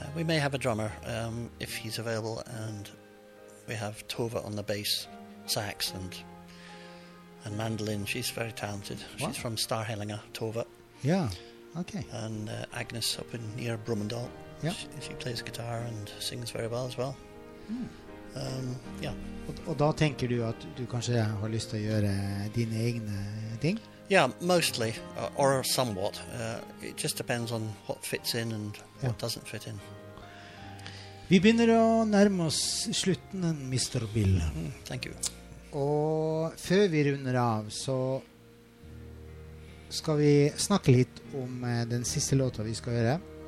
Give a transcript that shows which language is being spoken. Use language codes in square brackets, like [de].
[en] We may have a drummer if he's available, and we have Tova on the bass, sax, and mandolin. She's very talented. Wow. She's from Starhellinger, Tova. Yeah. Okay. And Agnes up in near Brummendal. Yeah. She plays guitar and sings very well as well. Mm. Yeah. [no] Og da tenker du at du kanskje har lyst til å gjøre dine egne ting? [en] Yeah, mostly, or somewhat. It just depends on what fits in and what doesn't fit in. [no] Vi begynner å nærme oss slutten, Mr. Bill. Mm, [en] thank you. [no] Og før vi runder av, så skal vi snakke litt om den siste låta vi skal gjøre.